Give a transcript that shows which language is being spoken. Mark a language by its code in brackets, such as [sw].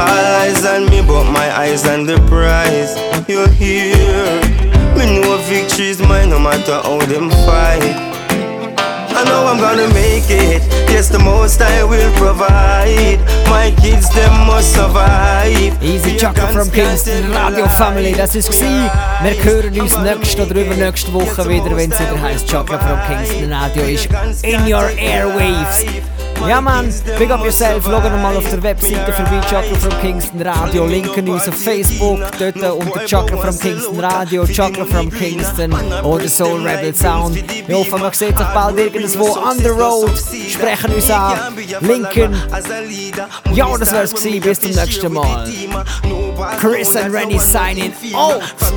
[en] All eyes on me, but my eyes on the prize. You here. Me know victory's mine, no matter how them fight. I know I'm gonna make it. Yes, the most I will provide. My kids, them must survive. Easy Chaka from Kingston Radio Family. [de] Das ist g'si. Wir hören uns nächste oder übernächste Woche wieder, wenn es wieder heisst Chaka from Kingston Radio ist [en] in your airwaves. [de] Ja man, [en] big up yourself, [de] schau nochmal auf der Webseite vorbei, Chuckle from Kingston Radio, linken uns auf Facebook, dort unter Chuckle from Kingston Radio, Chuckle from Kingston oder Soul Rebel Sound. Wir hoffen, man sieht sich bald irgendwo [en] on the road, [de] sprechen uns an, linken. Ja, das wär's gewesen, bis zum nächsten Mal. [en] Chris and Renny signing off.